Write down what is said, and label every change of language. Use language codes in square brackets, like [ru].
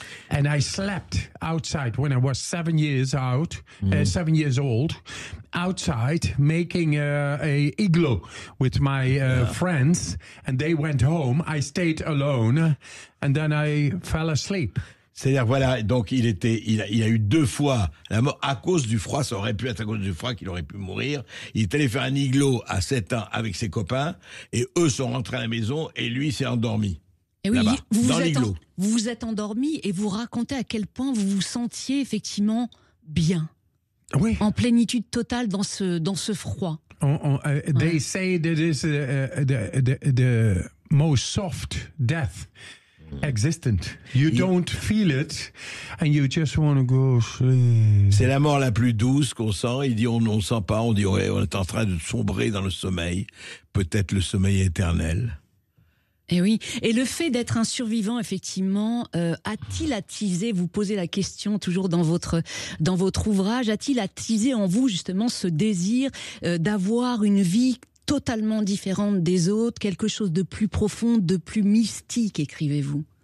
[en] And I slept outside when I was 7 years out, 7 years old, outside making a igloo with my friends. And they went home. I stayed alone, and then I fell asleep. [fr] C'est-à-dire, voilà, donc il était, il a eu deux fois la mort à cause du froid. Ça aurait pu être à cause du froid qu'il aurait pu mourir. Il est allé faire un igloo à 7 ans avec ses copains, et eux sont rentrés à la maison, et lui s'est endormi. Et oui, vous êtes endormi et vous racontez à quel point vous vous sentiez effectivement bien, oui. En plénitude totale dans ce froid. [en] They say that is the most soft death existent. You don't feel it and you just want to go sleep. [fr] C'est la mort la plus douce qu'on sent. Il dit on sent pas. On dit ouais, on est en train de sombrer dans le sommeil, peut-être le sommeil éternel. Et oui. Et le fait d'être un survivant, effectivement, a-t-il attisé, vous posez la question toujours dans votre ouvrage, a-t-il attisé en vous, justement, ce désir d'avoir une vie totalement différente des autres, quelque chose de plus profond, de plus mystique, écrivez-vous?